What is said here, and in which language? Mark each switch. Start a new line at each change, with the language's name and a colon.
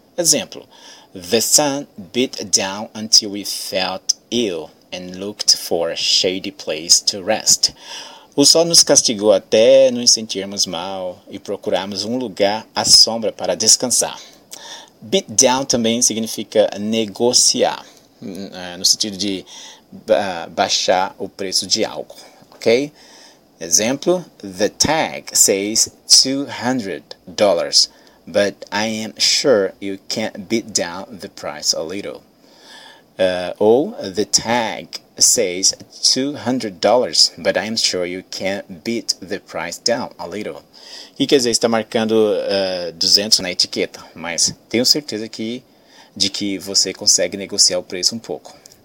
English: Exemplo, the sun beat down until we felt ill and looked for a shady place to rest.
Portuguese: O sol nos castigou até nos sentirmos mal e procuramos um lugar à sombra para descansar. Beat down também significa negociar, no sentido de baixar o preço de algo, ok?
English: Exemplo, the tag says $200, but I am sure you can beat down the price a little. Ou, the tag says $200, but I'm sure you can beat the price down a little.
Portuguese: Que quer dizer, está marcando 200 na etiqueta, mas tenho certeza de que você consegue negociar o preço um pouco.